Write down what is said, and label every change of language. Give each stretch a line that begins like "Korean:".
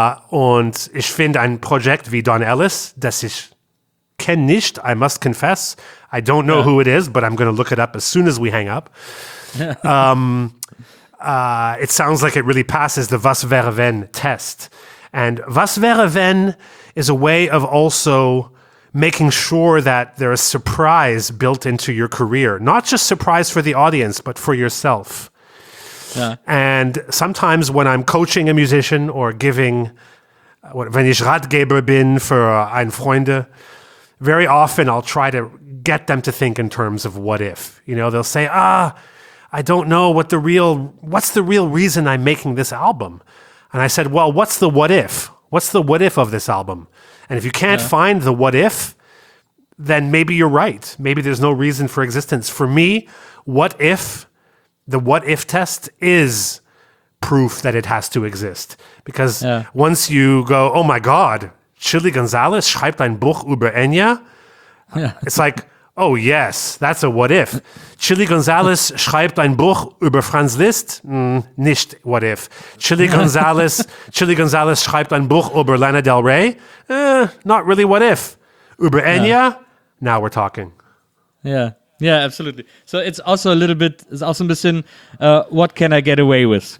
German: Und ich finde ein Projekt wie Don Ellis, das ich kenne nicht,
English: I must confess. I don't know who it is, but I'm going to look it up as soon as we hang up. it sounds like it really passes the
German: Was wäre wenn
English: test. And
German: was wäre wenn
English: is a way of also making sure that there is surprise built into your career. Not just surprise for the audience, but for yourself. And sometimes when I'm coaching a musician or giving,
German: wenn ich Ratgeber bin für ein Freunde,
English: very often I'll try to get them to think in terms of what if. You know, they'll say, I don't know what's the real reason I'm making this album? And I said, well, what's the what if? What's the what if of this album? And if you can't find the what if, then maybe you're right. Maybe there's no reason for existence. For me, what if, the what if test is proof that it has to exist. Because once you go, oh my God, Chili Gonzalez
German: schreibt ein Buch über
English: Enya. Yeah. It's like, oh yes, that's a what if.
German: Chili Gonzalez schreibt ein Buch über Franz Liszt? Nicht
English: what if.
German: Chili Gonzalez schreibt ein Buch über Lana Del Rey?
English: Not really what if.
German: Über
English: Enya? Yeah. Now we're talking. Yeah, absolutely. So it's also
German: ein bisschen,
English: what can I get away with?